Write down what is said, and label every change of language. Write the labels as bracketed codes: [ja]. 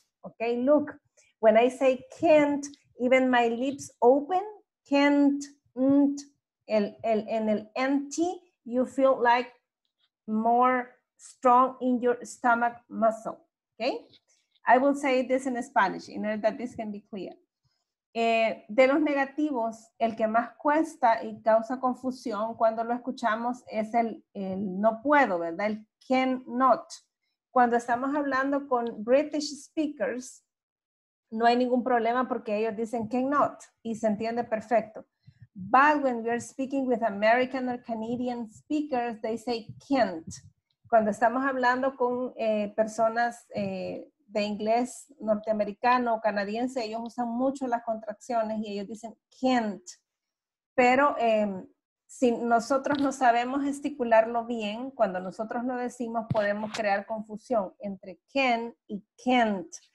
[en] Okay, look, when I say can't, even my lips open, can't, nt, [es] en el nt, [en] you feel like more strong in your stomach muscle. Okay, I will say this in Spanish in order that this can be clear. [es] De los negativos, el que más cuesta y causa confusión cuando lo escuchamos es el no puedo, ¿verdad? El cannot. Cuando estamos hablando con British speakers, no hay ningún problema porque ellos dicen cannot y se entiende perfecto. [en] But when we are speaking with American or Canadian speakers, they say can't. [es] Cuando estamos hablando con personas de inglés norteamericano o canadiense, ellos usan mucho las contracciones y ellos dicen can't. Pero si nosotros no sabemos gesticularlo bien, cuando nosotros lo decimos, podemos crear confusión entre can y can't.